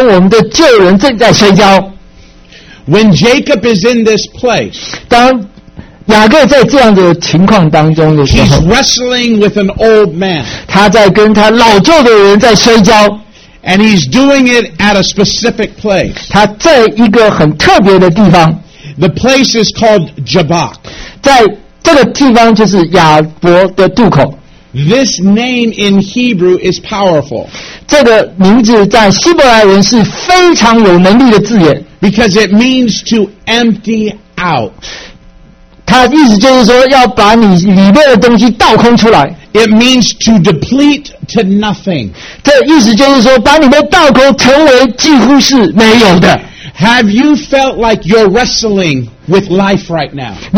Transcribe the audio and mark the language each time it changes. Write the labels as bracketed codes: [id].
[zh] 这好像就是说，我们一个新人跟我们的旧人正在摔跤。 [en] When Jacob is in this place, [zh] 当雅各在这样的情况当中的时候， [en] he's wrestling with an old man. [zh] 他在跟他老旧的人在摔跤。 [en] And he's doing it at a specific place. [zh] 他在一个很特别的地方。 [en] The place is called Jabbok. [zh] 这个地方就是亚伯的渡口。 [en] This name in Hebrew is powerful. [zh] 这个名字在希伯来文是非常有能力的字眼。 [en] Because it means to empty out. [zh] 它意思就是说要把你里面的东西倒空出来。 [en] It means to deplete to nothing. [zh] 这意思就是说把你的倒空成为几乎是没有的。 [en] Have you felt like you're wrestling with life right now?